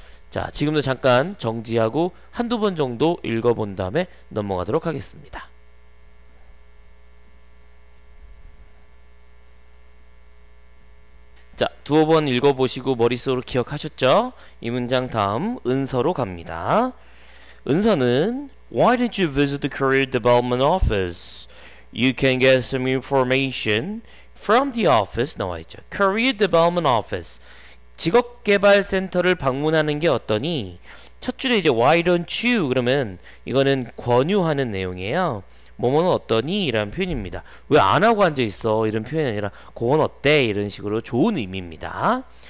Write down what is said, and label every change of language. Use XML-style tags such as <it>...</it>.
<ko>자, 지금도 잠깐 정지하고 한두 번 정도 읽어본 다음에 넘어가도록 하겠습니다. 자, 두어 번 읽어보시고 머릿속으로 기억하셨죠? 이 문장 다음 은서로 갑니다. 은서는</ko> <en>Why didn't you visit the career development office? You can get some information from the office.</en> <ko>나와 있죠.</ko> <en>Career development office.</en> <ko>직업개발센터를 방문하는 게 어떠니? 첫 줄에 이제</ko> <en>Why don't you?</en> <ko>그러면 이거는 권유하는 내용이에요. 뭐뭐는 어떠니? 이라는 표현입니다. 왜 안 하고 앉아있어? 이런 표현이 아니라 그건 어때? 이런 식으로 좋은 의미입니다.</ko>